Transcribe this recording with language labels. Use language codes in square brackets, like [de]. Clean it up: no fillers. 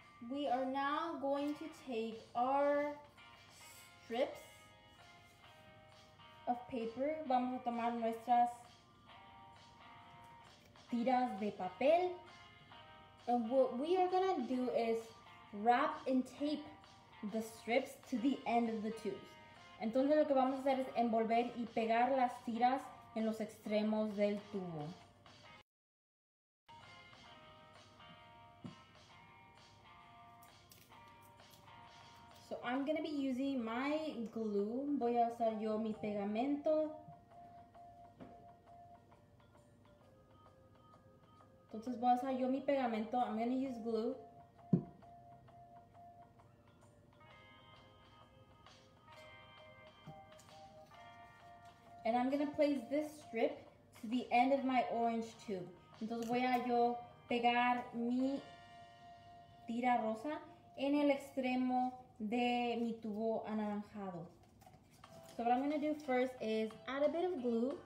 [en] We are now going to take our strips of paper. [es] Vamos a tomar nuestras tiras de papel. [en] And what we are gonna do is wrap and tape the strips to the end of the tubes. [es] Entonces lo que vamos a hacer es envolver y pegar las tiras en los extremos del tubo. [en] I'm gonna be using my glue. [es] Voy a usar yo mi pegamento. Entonces voy a usar yo mi pegamento. [en] I'm gonna use glue. And I'm gonna place this strip to the end of my orange tube. [es] Entonces voy a yo pegar mi tira rosa en el extremo de mi tubo anaranjado. [en] So what I'm gonna do first is add a bit of glue.